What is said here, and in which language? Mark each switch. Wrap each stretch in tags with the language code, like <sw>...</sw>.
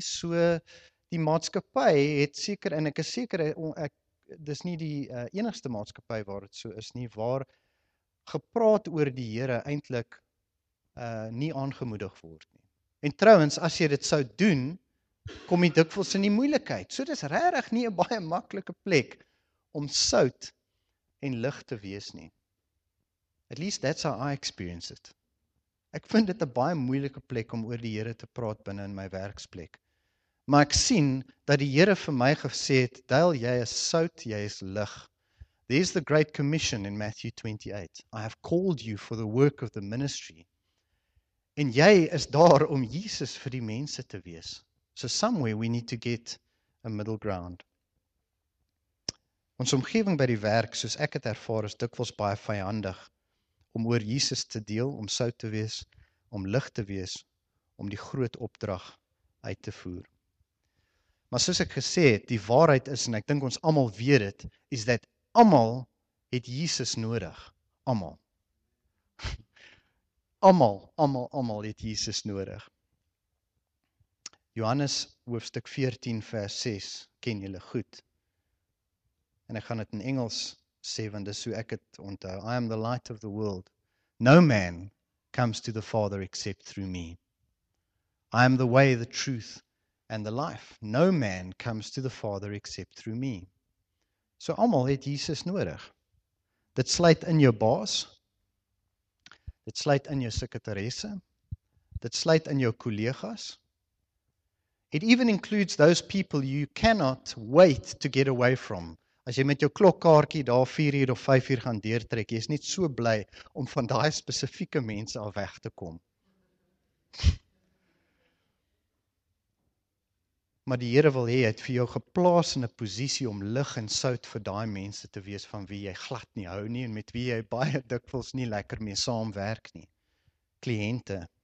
<af>So die maatskappy het seker, en ek is seker, dis nie die enigste maatskappy waar dit so is nie, waar gepraat oor die Here eintlik nie aangemoedig word nie. En trouwens, as jy dit sou doen, kom jy dikwels in die moeilikheid. So dis regtig nie 'n baie maklike plek om sout en lig te wees nie.</af> <en>At least that's how I experience it.</en> <af>Ek vind dit 'n baie moeilike plek om oor die Here te praat binne in my werksplek. Maar ek sien dat die Here vir my gesê het, "Duil, jy is sout, jy is lig."</af> <en>There's the great commission in Matthew 28. I have called you for the work of the ministry.</en> <af>En jy is daar om Jesus vir die mense te wees.</af> <en>So somewhere we need to get a middle ground.</en> <af>Ons omgewing by die werk, soos ek het ervaar, is dikwels baie vyandig om oor Jesus te deel, om sout te wees, om lig te wees, om die groot opdrag uit te voer. Maar soos ek gesê het, die waarheid is, en ek dink ons almal weet dit, is dat almal het Jesus nodig. Almal. Almal het Jesus nodig. Johannes hoofstuk 14 vers 6 ken julle goed. En ek gaan dit in Engels sê, want dis hoe ek het onthou.</af> <en>I am the light of the world. No man comes to the Father except through me. I am the way, the truth, and the life. No man comes to the Father except through me.</en> <af>So almal het Jesus nodig. Dit sluit in jou baas. Dit sluit in jou sekretaresse. Dit sluit in jou kollegas.</af> <en>It even includes those people you cannot wait to get away from.</en> <af>As jy met jou klokkaartjie daar 4 uur of 5 uur gaan deurtrek, jy is net so bly om van daai spesifieke mense af weg te kom. Maar die Here wil hê, hy het vir jou geplaas in 'n posisie om lig en sout vir daai mense te wees van wie jy glad nie hou nie en met wie jy baie dikwels nie lekker mee saamwerk nie. Kliënte.</af>